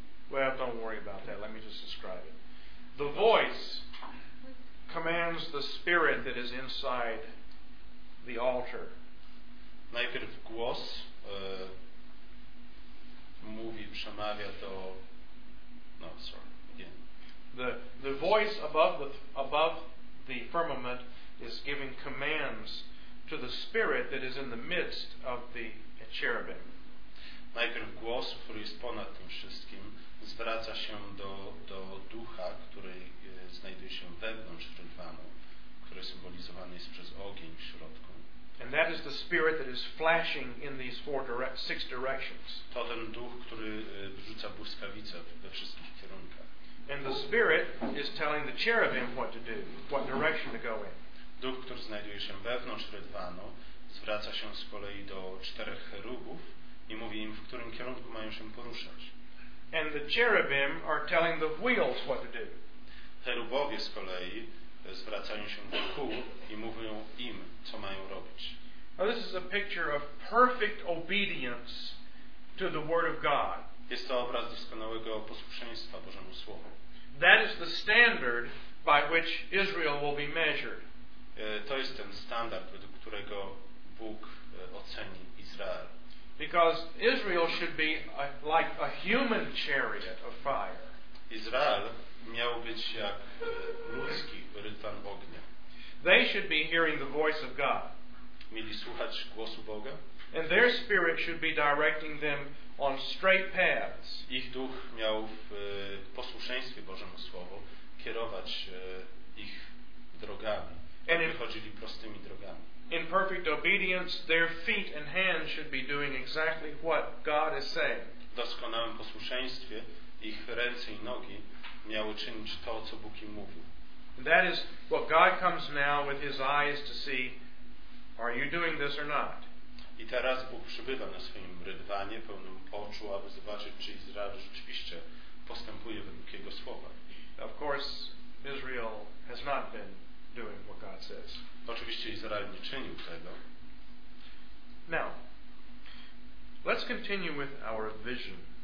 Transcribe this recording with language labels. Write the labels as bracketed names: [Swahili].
[English] well, don't worry about that. Let me just describe it. The voice commands the spirit that is inside the altar. [Polish] Najpierw głos mówi, przemawia do. [English] No, sorry. Again. The voice above the firmament is giving commands to the spirit that is in the midst of the cherubim. [Polish] Najpierw głos, który jest ponad tym wszystkim, zwraca się do ducha, który znajduje się wewnątrz rydwanu, który symbolizowany jest przez ogień w środku. [English] And that is the spirit that is flashing in these six directions. [Polish] To ten duch, który rzuca błyskawice we wszystkich kierunkach. [English] And the spirit is telling the cherubim what to do, what direction to go in. [Polish] Duch, który znajduje się wewnątrz rydwanu, zwraca się z kolei do czterech cherubów i mówi im, w którym kierunku mają się poruszać. [English] And the cherubim are telling the wheels what to do. [Polish] Cherubowie z kolei zwracają się do kół i mówią im, co mają robić. [English] Now this is a picture of perfect obedience to the word of God. [Polish] Jest to obraz doskonałego posłuszeństwa Bożemu Słowu. [English] That is the standard by which Israel will be measured. [Polish] To jest ten standard, według którego Bóg oceni Izrael. [English] Because Israel should be like a human chariot of fire. [Polish] Izrael miał być jak ludzki rydwan ognia. [English] They should be hearing the voice of God. [Polish] Mieli słuchać głosu Boga. [English] And their spirit should be directing them on straight paths. [Polish] Ich duch miał w posłuszeństwie Bożemu Słowu kierować ich drogami. [English] And [Polish] chodzili prostymi drogami. [English] In perfect obedience, their feet and hands should be doing exactly what God is saying. [Polish] W doskonałym posłuszeństwie ich ręce i nogi miały czynić to, co Bóg im mówił. [English] That is what God comes now with his eyes to see, are you doing this or not? [Polish] I teraz Bóg przybywa na swoim rydwanie pełnym oczu, aby zobaczyć, czy Izrael rzeczywiście postępuje według jego słowa. [English] Of course, Israel has not been doing what God says. [Polish] Oczywiście Izrael nie czynił tego. [English] Now, let's continue with our vision.